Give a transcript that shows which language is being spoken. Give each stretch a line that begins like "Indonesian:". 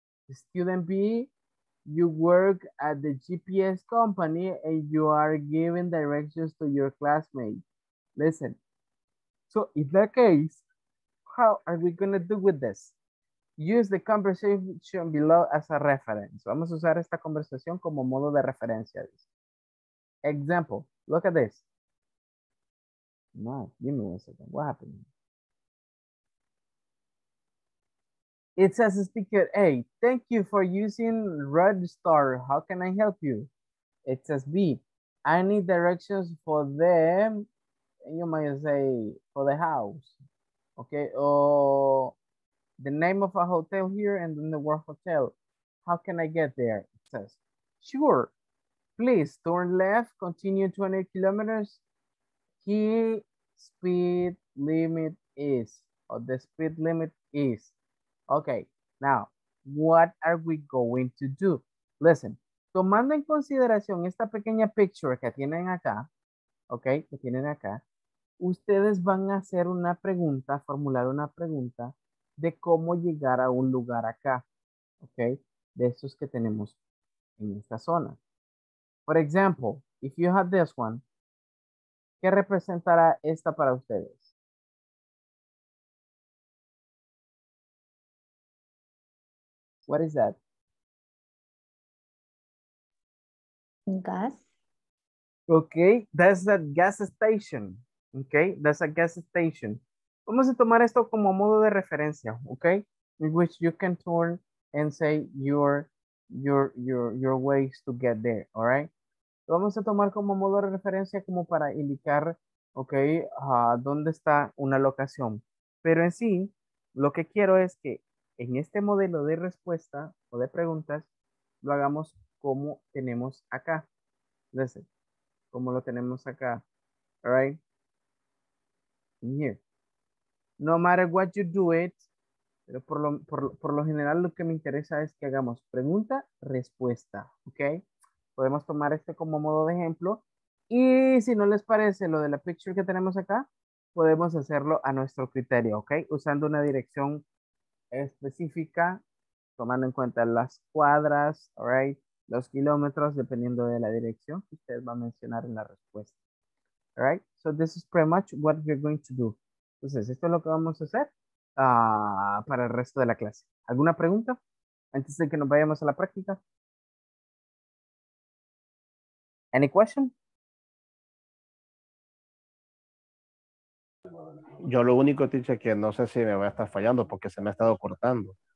English: Student B, you work at the GPS company and you are giving directions to your classmate. Listen, so in that case, how are we going to do with this? Use the conversation below as a reference.
Spanish: Vamos a usar esta conversación como modo de referencia.
English: Example, look at this. No, give me one second. What happened? It says, speaker A, thank you for using RedStar. How can I help you? It says B, I need directions for them. And you might say, for the house. Okay, the name of a hotel here and then the word hotel. How can I get there? It says, sure. Please turn left, continue 20 kilometers. Key speed limit is, or the speed limit is. Okay, now, what are we going to do?
Spanish: Listen, tomando en consideración esta pequeña picture que tienen acá, okay, que tienen acá, ustedes van a hacer una pregunta, formular una pregunta, de cómo llegar a un lugar acá, ¿ok? De estos que tenemos en esta zona.
English: For example, if you have this one,
Spanish: ¿qué representará esta para ustedes?
English: What is that? Gas. Okay, that's a gas station. Okay, that's a gas station.
Spanish: Vamos a tomar esto como modo de referencia, okay?
English: In which you can turn and say your ways to get there, all right?
Spanish: Vamos a tomar como modo de referencia como para indicar, okay, dónde está una locación. Pero en sí, lo que quiero es que en este modelo de respuesta o de preguntas, lo hagamos como tenemos acá. Listen, como lo tenemos acá, all right? In here.
English: no matter what you do it,
Spanish: pero por lo general lo que me interesa es que hagamos pregunta, respuesta, ¿ok? Podemos tomar este como modo de ejemplo. Y si no les parece lo de la picture que tenemos acá, podemos hacerlo a nuestro criterio, ¿ok? Usando una dirección específica, tomando en cuenta las cuadras, all right, los kilómetros, dependiendo de la dirección que ustedes van a mencionar en la respuesta.
English: All right, so this is pretty much what we're going to do.
Spanish: Entonces, esto es lo que vamos a hacer para el resto de la clase. ¿Alguna pregunta antes de que nos vayamos a la práctica?
English: Any question?
Spanish: Yo lo único, teacher, que no sé si me voy a estar fallando porque se me ha estado cortando.